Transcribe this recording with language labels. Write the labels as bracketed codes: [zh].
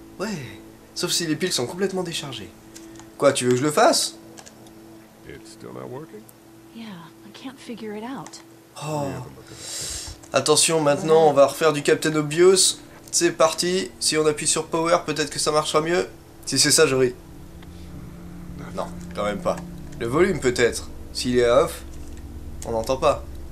[fr] Ouais, sauf si les piles sont complètement déchargées. Quoi, tu veux que je le fasse? [en] It's still not working? Yeah, I can't figure it out. [fr] Oh. Attention, maintenant, on va refaire du Captain Obvious. C'est parti, si on appuie sur Power, peut-être que ça marchera mieux. Si c'est ça, je ris. Non, quand même pas. Le volume, peut-être. S'il est à off, on n'entend pas.